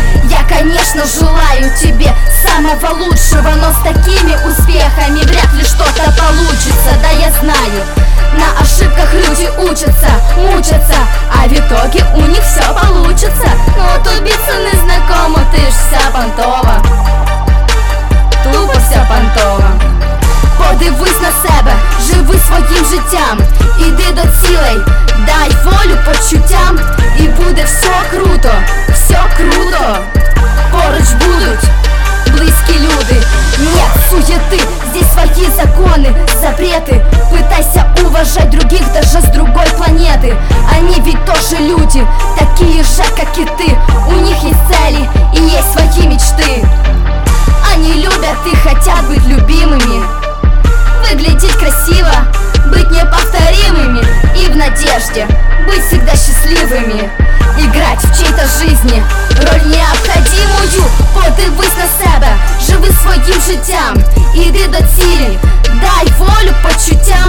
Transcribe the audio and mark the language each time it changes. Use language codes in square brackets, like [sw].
[ru] Я, конечно, желаю тебе самого лучшего, но с такими успехами вряд ли что-то получится. Да я знаю, на ошибках люди учатся, мучатся, а в итоге у них все получится. Но тут биться незнакомо, ты ж вся понтова, тупо вся понтова. [uk] Подивись на себе, живи своїм життям, іди до цілей, дай волю почуттям, і буде все круто, все круто. Поруч будуть близькі люди. [ru] Нет суеты, здесь свои законы, запреты. Пытайся уважать других даже с другой планеты. Они ведь тоже люди, такие же, как и ты. У них есть цели и есть свои мечты. Они любят и хотят быть любимыми, выглядеть красиво, быть неповторимыми и в надежде быть всегда счастливыми, играть в чьей-то жизни роль необходимую. [uk] Подивись на себе, живи своим життям, іди до цілі, дай волю почуттям.